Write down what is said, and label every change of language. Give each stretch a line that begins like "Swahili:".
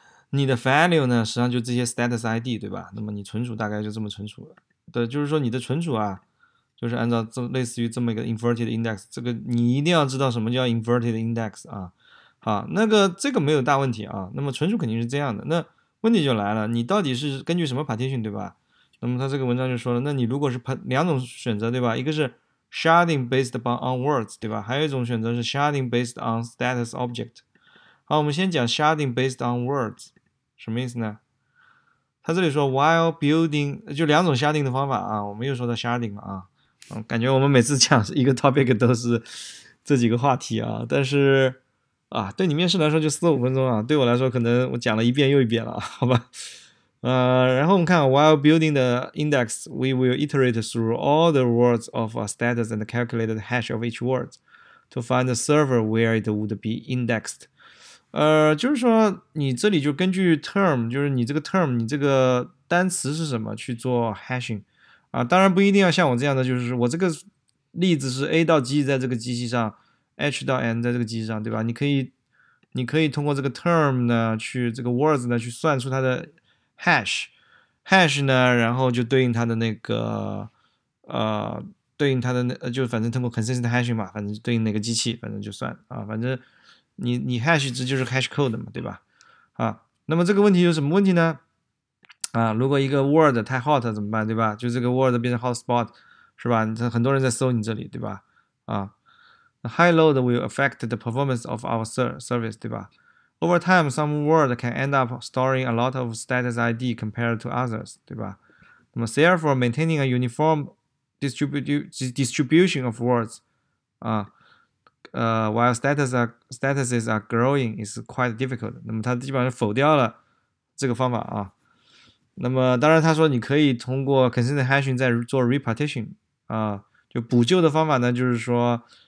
Chinese: 你的 value 呢，实际上就这些 status ID，对吧？那么你存储大概就这么存储的，就是说你的存储啊，就是按照这类似于这么一个 inverted index，这个你一定要知道什么叫 inverted index 啊。好，那个这个没有大问题啊。那么存储肯定是这样的，那问题就来了，你到底是根据什么 partition 对吧？那么他这个文章就说了，那你如果是两种选择对吧？一个是
English: sharding based on words
Chinese: 对吧？还有一种选择是
English: sharding based on status object。
Chinese: 好，我们先讲 sharding based on words，什么意思呢？他这里说
English: while building
Chinese: 就两种 sharding 的方法啊，我们又说到 sharding 了啊。感觉我们每次讲一个 topic 都是这几个话题啊，但是。啊，对你面试来说就4、5分钟啊，对我来说可能我讲了一遍又一遍了，好吧？然后我们看
English: while building the index, we will iterate through all the words of a status and calculate the hash of each word to find the server where it would be indexed。
Chinese: 就是说你这里就根据 term，就是你这个 term，你这个单词是什么去做 hashing 啊？当然不一定要像我这样的，就是我这个例子是 A 到 G 在这个机器上。 H 到 N 在这个机器上，对吧？你可以通过这个 term 呢，去这个 words 呢，去算出它的 hash 呢，然后就对应它的那个，对应它的那，就反正通过 consistent hashing 嘛，反正对应哪个机器，反正就算啊，反正你 hash 值就是 hash code 嘛，对吧？啊，那么这个问题有什么问题呢？啊，如果一个 word 太 hot 怎么办，对吧？就这个 word 变成 hotspot 是吧？很多人在搜你这里，对吧？啊。
English: High load will affect the performance of our service，
Chinese: 对吧？
English: Over time, some word can end up storing a lot of status ID compared to others，对吧？
Chinese: 那么，
English: therefore, maintaining a uniform distribution of words，while statuses are growing is quite difficult。
Chinese: 那么，它基本上否掉了这个方法啊。那么，当然，他说你可以通过 consistent hashing 再做 repartition，就补救的方法呢，就是说。